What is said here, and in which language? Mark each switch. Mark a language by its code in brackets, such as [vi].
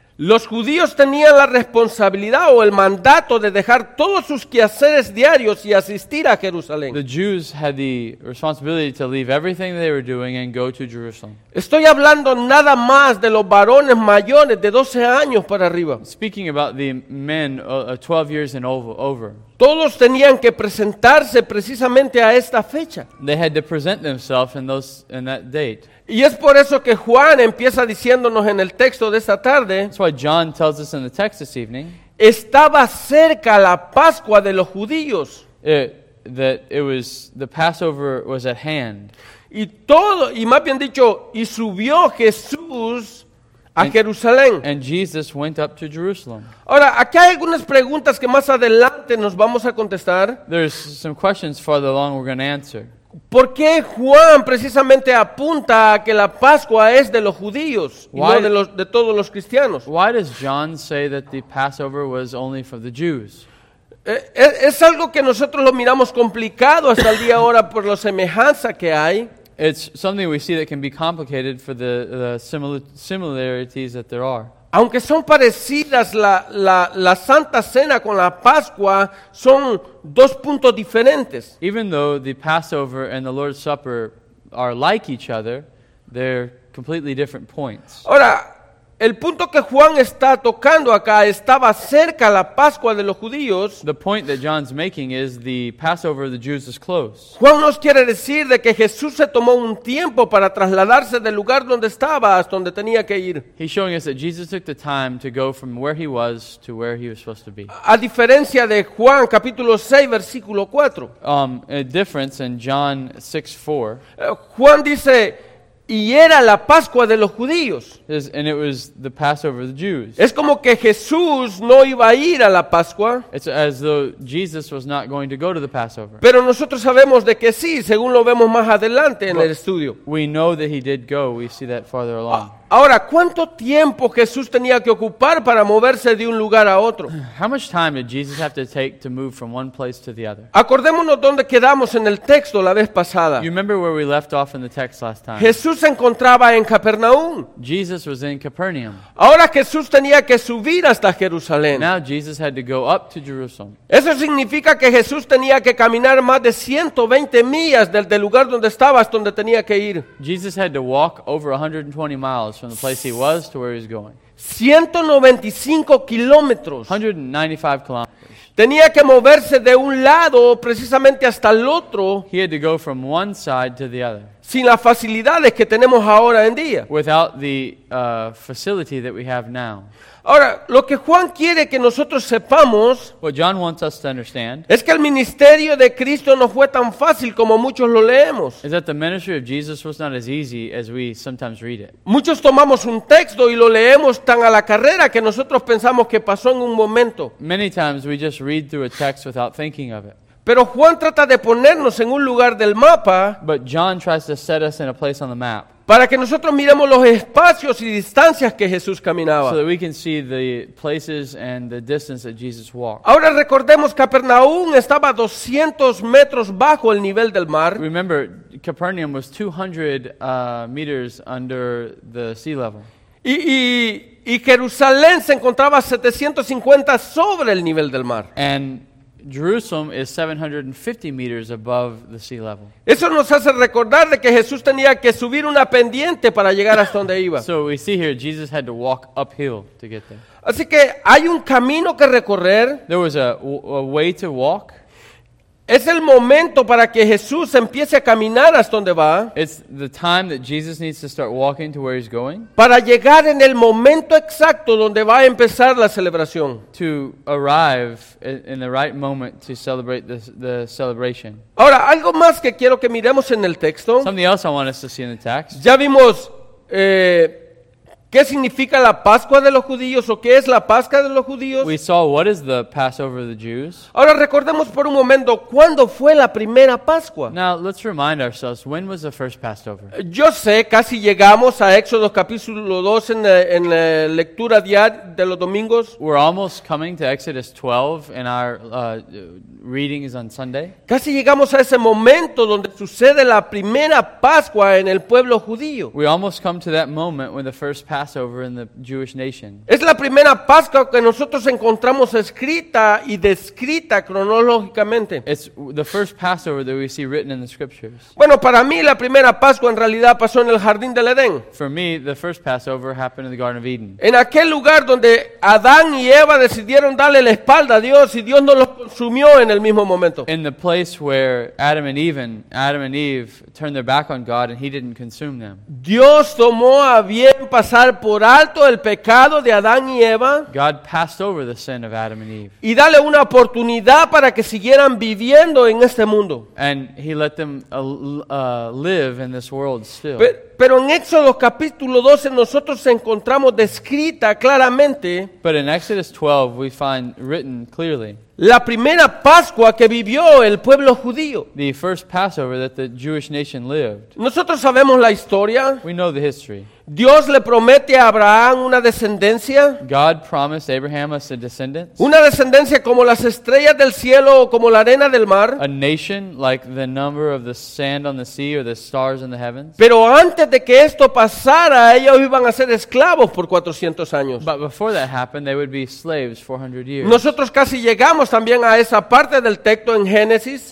[es] Los judíos tenían la responsabilidad o el mandato de dejar todos sus quehaceres diarios y asistir a Jerusalén. [en] The Jews had the responsibility to leave everything they were doing and go to Jerusalem. [es] Estoy hablando nada más de los varones mayores de 12 años para arriba. [en] Speaking about the men 12 years and over. [es] Todos tenían que presentarse precisamente a esta fecha. [en] They had to present themselves in that date. [es] Y es por eso que Juan empieza diciéndonos en el texto de esta tarde. [en] That's why John tells us in the text this evening. [es] Estaba cerca la Pascua de los judíos. [en] The Passover was at hand. [es] Y más bien dicho, y subió Jesús a Jerusalén. [en] And Jesus went up to Jerusalem. [es] Ahora, aquí hay algunas preguntas que más adelante nos vamos a contestar. [en] There's some questions farther along we're going to answer. [es] ¿Por qué Juan precisamente apunta a que la Pascua es de los judíos y no de todos los cristianos? [en] Why does John say that the Passover was only for the Jews? [es] Es algo que nosotros lo miramos complicado hasta el día ahora por la semejanza que hay. [en] It's something we see that can be complicated for the similarities that there are. [es] Aunque son parecidas, la Santa Cena con la Pascua son dos puntos diferentes. [en] Even though the Passover and the Lord's Supper are like each other, they're completely different points. [es] Ahora, el punto que Juan está tocando acá estaba cerca la Pascua de los judíos. [en] The point that John's making is the Passover of the Jews is close. [es] Juan nos quiere decir de que Jesús se tomó un tiempo para trasladarse del lugar donde estaba hasta donde tenía que ir. [en] He's showing us that Jesus took the time to go from where he was to where he was supposed to be. [es] A diferencia de Juan capítulo 6 versículo 4. [en] A difference in John 6, 4. [es] Juan dice, y era la Pascua de los judíos. [en] And it was the Passover of the Jews. [es] Es como que Jesús no iba a ir a la Pascua. [en] It's as though Jesus was not going to go to the Passover. [es] Pero nosotros sabemos de que sí, según lo vemos más adelante en el estudio. [en] We know that he did go. We see that farther along. [es] Ahora, ¿cuánto tiempo Jesús tenía que ocupar para moverse de un lugar a otro? [en] How much time did Jesus have to take to move from one place to the other? [es] Acordémonos dónde quedamos en el texto la vez pasada. [en] You remember where we left off in the text last time? [es] Jesús se encontraba en Capernaum. [en] Jesus was in Capernaum. [es] Ahora Jesús tenía que subir hasta Jerusalén. [en] Now Jesus had to go up to Jerusalem. [es] Eso significa que Jesús tenía que caminar más de 120 millas del lugar donde estaba hasta donde tenía que ir. [en] Jesus had to walk over 120 miles from the place he was to where he's going. [es] 195 kilómetros. [en] 195 kilometers. [es] Tenía que moverse de un lado precisamente hasta el otro. [en] He had to go from one side to the other. [es] Sin las facilidades que tenemos ahora en día. [en] Without the facility that we have now. [es] Ahora, lo que Juan quiere que nosotros sepamos, [en] what John wants us to understand, [es] es que el ministerio de Cristo no fue tan fácil como muchos lo leemos. [en] Is that the ministry of Jesus was not as easy as we sometimes read it. [es] Muchos tomamos un texto y lo leemos tan a la carrera que nosotros pensamos que pasó en un momento. [en] Many times we just read through a text without thinking of it. [es] Pero Juan trata de ponernos en un lugar del mapa. [en] But John tries to set us in a place on the map. [es] Para que nosotros miremos los espacios y distancias que Jesús caminaba. [en] So that we can see the places and the distance that Jesus walked. [es] Ahora recordemos, Capernaum estaba 200 metros bajo el nivel del mar. [en] Remember, Capernaum was 200 meters under the sea level. [es] Y Jerusalén se encontraba 750 sobre el nivel del mar. [en] And Jerusalem is 750 meters above the sea level. [es] Eso nos hace recordar de que Jesús tenía que subir una pendiente para llegar hasta donde iba. [en] So we see here Jesus had to walk uphill to get there. [es] Así que hay un camino que recorrer. [en] There was a way to walk. [es] Es el momento para que Jesús empiece a caminar hasta donde va. [en] It's the time that Jesus needs to start walking to where he's going. [es] Para llegar en el momento exacto donde va a empezar la celebración. [en] To arrive in the right moment to celebrate the celebration. [es] Ahora, algo más que quiero que miremos en el texto. [en] Something else I want us to see in the text. [es] Ya vimos ¿qué significa la Pascua de los judíos o qué es la Pascua de los judíos? [en] We saw what is the Passover of the Jews. [es] Ahora recordemos por un momento, ¿cuándo fue la primera Pascua? [en] Now, let's remind ourselves, when was the first Passover? [es] Yo sé, casi llegamos a Éxodo capítulo 2 en la lectura diaria de los domingos. [en] We're almost coming to Exodus 12 in our readings on Sunday. [es] Casi llegamos a ese momento donde sucede la primera Pascua en el pueblo judío. [en] We almost come to that moment when the first Passover Passover in the Jewish nation. [es] Es la primera Pascua que nosotros encontramos escrita y descrita cronológicamente. [en] It's the first Passover that we see written in the scriptures. [es] Bueno, para mí la primera Pascua en realidad pasó en el jardín del Edén. [en] For me, the first Passover happened in the Garden of Eden. [es] En aquel lugar donde Adán y Eva decidieron darle la espalda a Dios y Dios no los consumió en el mismo momento. [en] In the place where Adam and Eve turned their back on God and he didn't consume them. [es] Dios tomó a bien pasar por alto el pecado de Adán y Eva. [en] God passed over the sin of Adam and Eve. [es] Y darle una oportunidad para que siguieran viviendo en este mundo. [en] And he let them live in this world still. [es] Pero en Éxodo capítulo 12 nosotros encontramos descrita claramente. [en] But in Exodus 12 we find written clearly. [es] La primera Pascua que vivió el pueblo judío. [en] The first Passover that the Jewish nation lived. [es] Nosotros sabemos la historia. [en] We know the history. [es] Dios le promete a Abraham una descendencia. [en] God promised Abraham a descendant. [es] Una descendencia como las estrellas del cielo o como la arena del mar. [en] A nation like the number of the sand on the sea or the stars in the heavens. [es] Pero antes de que esto pasara, ellos iban a ser esclavos por 400 años. [en] But before that happened, they would be slaves 400 years. [es] Nosotros casi llegamos también a esa parte del texto en Génesis.